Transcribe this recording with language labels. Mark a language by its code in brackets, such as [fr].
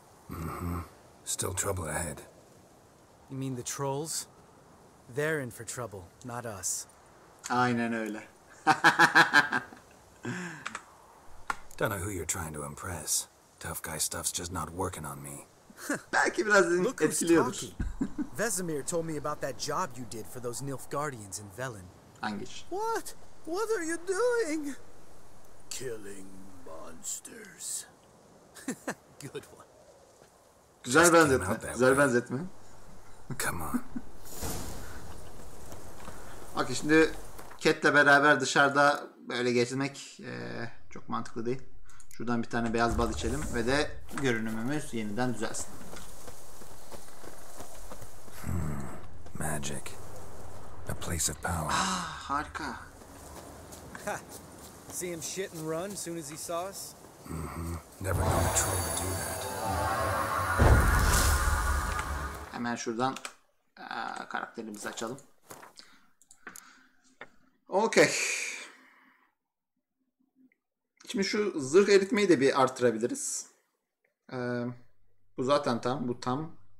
[en] Mm-hmm. Still trouble ahead. You mean the trolls? They're in for trouble, not us. [tr] Aynen öyle. [en] Don't know who you're trying to impress. Tough guy stuff's just not working on me. [tr] Belki biraz etkiliyordur. [en] Vesemir told me about that job you did for those Nilfgaardians in Velen. Angish. What? What are you doing? Killing. Monsters. Good one. [tr] Güzel benzetme. Güzel benzetme. [en] Come on. [tr] Bak şimdi Cat'le beraber dışarıda böyle gezmek çok mantıklı değil. Şuradan bir tane beyaz bal içelim ve de görünümümüz yeniden düzelsin. [en] Magic. A place of power. [tr] Ah, harika. [en] See him shit and run as soon as he saw us? Mm-hmm. Never known a troll to do that. [tr] Hemen şuradan karakterimizi açalım. [en] Okay. [tr] Şimdi şu zırh eritmeyi de bir artırabiliriz. Bu zaten tam, bu tam.